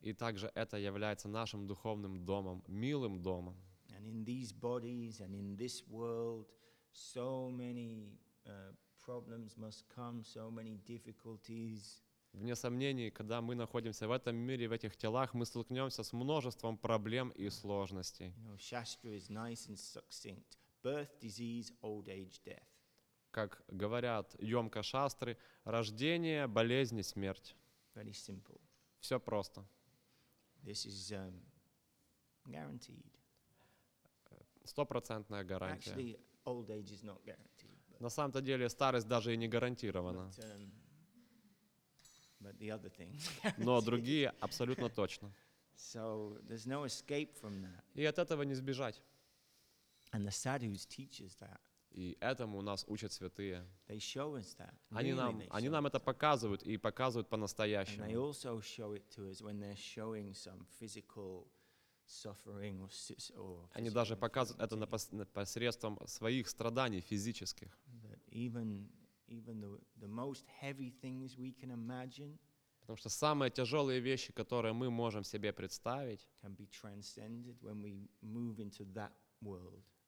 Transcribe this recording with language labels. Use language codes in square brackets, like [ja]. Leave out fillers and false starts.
[ru] И также это является нашим духовным домом, милым домом. [en] And in these bodies and in this world, so many problems must come, so many difficulties. [ru] Вне сомнений, когда мы находимся в этом мире, в этих телах, мы столкнемся с множеством проблем и сложностей. [en] You know, Shastra is nice and succinct. Birth, disease, old age, death. [ru] Как говорят ёмко шастры, рождение, болезнь, смерть. [en] Very simple. [ru] Все просто. [en] This is guaranteed. [ru] 100% гарантия. [en] Actually, old age is not guaranteed. [ru] На самом-то деле старость даже и не гарантирована. [en] But the other things. [ru] Но другие абсолютно точно. [en] So there's no escape from that. [ru] И от этого не сбежать. [en] And the sadhus teach us that. [ru] И этому нас учат святые. [en] They show us that. Really, [ru] они нам это показывают и показывают по-настоящему. [en] And they also show it to us when they're showing some physical suffering or physical. [ru] Они даже показывают это посредством своих страданий физических. [en] That even the most heavy things we can imagine. [ru] Потому что самые тяжелые вещи, которые мы можем себе представить, [en] can be transcended when we move into that world.